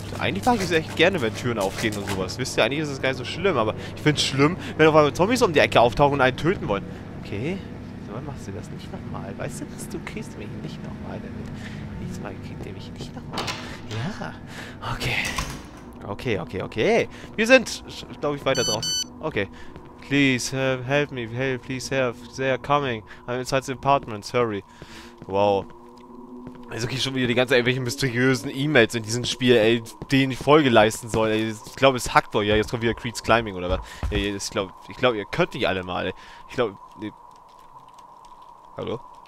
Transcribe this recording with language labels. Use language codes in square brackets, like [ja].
[de] Eigentlich mag ich es echt gerne, wenn Türen aufgehen und sowas. Wisst ihr, eigentlich ist es gar nicht so schlimm, aber ich finde es schlimm, wenn auf einmal Zombies um die Ecke auftauchen und einen töten wollen. Okay, dann machst du das nicht nochmal. Weißt du, dass du kriegst mich nicht nochmal damit? Nächstes Mal kriegt ihr mich nicht nochmal. Ja, okay. Okay, okay, okay. Wir sind, glaube ich, weiter draußen. Okay. [en] Please, help me, hey, please help, they are coming, I'm inside the apartments, hurry. Wow. [de] Also ich schon wieder die ganze irgendwelchen mysteriösen E-Mails in diesem Spiel, ey, denen ich Folge leisten soll. Ey. Ich glaube, es hackt wohl. Ja, jetzt kommt wieder Creed's Climbing oder was. Ja, ich glaube, ihr könnt nicht alle mal. Ey. Ich glaube. Nee. Hallo?